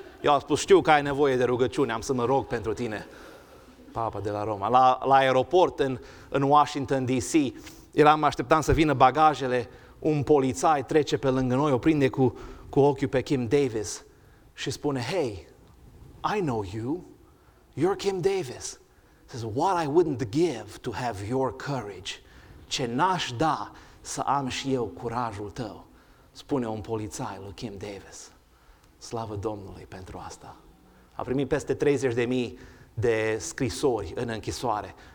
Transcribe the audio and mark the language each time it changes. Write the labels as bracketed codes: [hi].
[ro] Eu am spus știu că ai nevoie de rugăciune, am să mă rog pentru tine, papa de la Roma. La aeroport în Washington DC eram, așteptam să vină bagajele. Un polițai trece pe lângă noi, o prinde cu ochiul pe Kim Davis și spune, [en] hey, I know you, you're [ro] Kim Davis. [en] Says, what I wouldn't give to have your courage. [ro] Ce n-aș da să am și eu curajul tău, spune un polițai lui Kim Davis. Slavă Domnului pentru asta. A primit peste 30.000 de scrisori în închisoare.